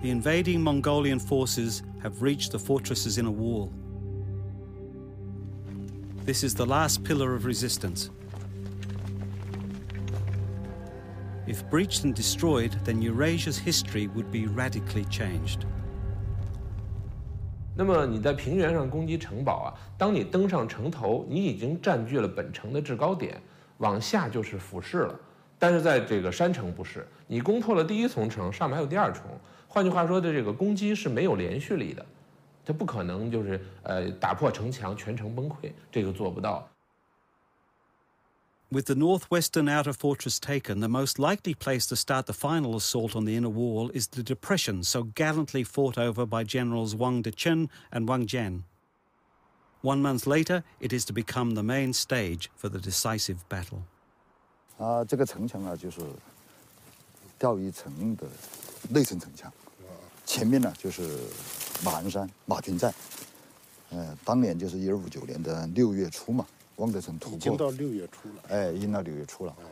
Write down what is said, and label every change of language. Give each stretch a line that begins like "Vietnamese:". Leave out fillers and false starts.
English: The invading Mongolian forces have reached the fortress's inner wall. This is the last pillar of resistance. If breached and destroyed, then Eurasia's history would be radically changed.
Chinese: 那么你在平原上攻击城堡啊，当你登上城头，你已经占据了本城的制高点，往下就是俯视了。但是在这个山城不是，你攻破了第一重城，上面还有第二重。换句话说的，这个攻击是没有连续力的，它不可能就是打破城墙全城崩溃，这个做不到。
English: With the northwestern outer fortress taken, the most likely place to start the final assault on the inner wall is the depression so gallantly fought over by generals Wang Dechun and Wang Jian. 1 month later, it is to become the main stage for the decisive battle.
Chinese: 啊，这个城墙啊，就是钓鱼城的内层城墙。前面呢，就是马鞍山马群寨。当年就是1259年的六月初嘛，汪德成突破。已经到六月初了。哎，已经到六月初了。